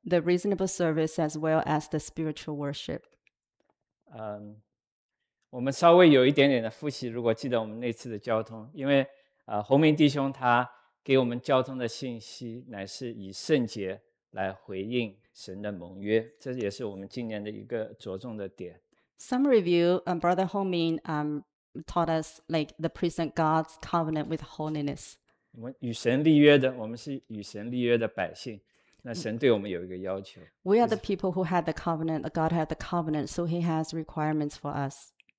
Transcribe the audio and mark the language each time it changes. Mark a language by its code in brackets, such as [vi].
[en] The reasonable service as well as the spiritual worship. [zh] 我们稍微有一点点的复习，如果记得我们那次的交通，因为洪明弟兄他给我们交通的信息乃是以圣洁来回应神的盟约，这也是我们今年的一个着重的点。 [en] Some review, Brother Homing taught us like the present God's covenant with holiness. [zh] 我们与神立约的，我们是与神立约的百姓。 [en] We are the people who had the covenant. God had the covenant, so He has requirements for us.